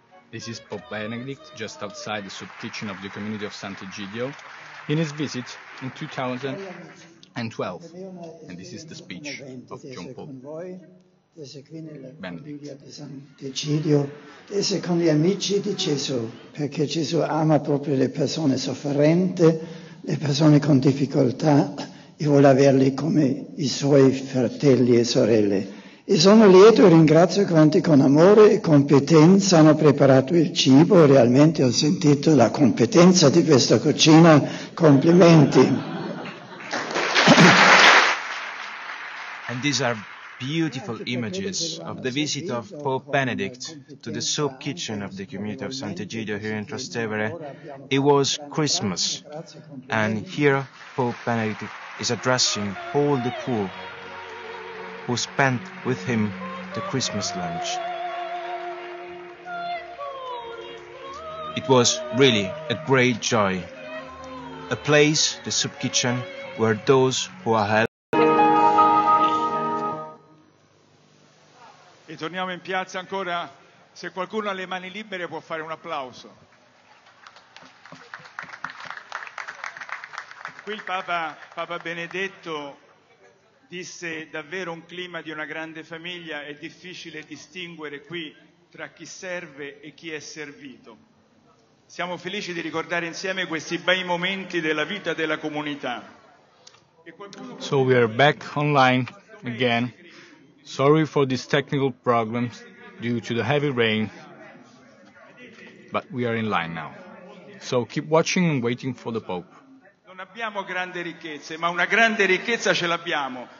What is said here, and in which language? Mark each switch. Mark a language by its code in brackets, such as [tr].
[en] This is Pope Benedict, just outside the soup kitchen of the community of Sant'Egidio, in his visit in 2012. And this is the speech of John Paul. [it] Sant'Egidio, esse con gli amici di Gesù, perché Gesù ama proprio le persone sofferenti, le persone con difficoltà e vuole averli come i suoi fratelli e sorelle. E sono lieto e ringrazio quanti con amore e competenza hanno preparato il cibo. Realmente ho sentito la competenza di questa cucina. Complimenti. [en] And these are beautiful images of the visit of Pope Benedict to the soup kitchen of the community of Sant'Egidio here in Trastevere. It was Christmas, and here Pope Benedict is addressing all the poor who spent with him the Christmas lunch. It was really a great joy. A place, the soup kitchen, where those who are helping. [it] Torniamo in piazza ancora, se qualcuno ha le mani libere può fare un applauso. Qui il Papa Benedetto disse davvero un clima di una grande famiglia, è difficile distinguere qui tra chi serve e chi è servito. Siamo felici di ricordare insieme questi bei momenti della vita della comunità. [en] So we are back online again. Sorry for these technical problems due to the heavy rain, but we are in line now. So keep watching and waiting for the Pope. [it] Non abbiamo grandi ricchezze, ma una grande ricchezza ce l'abbiamo.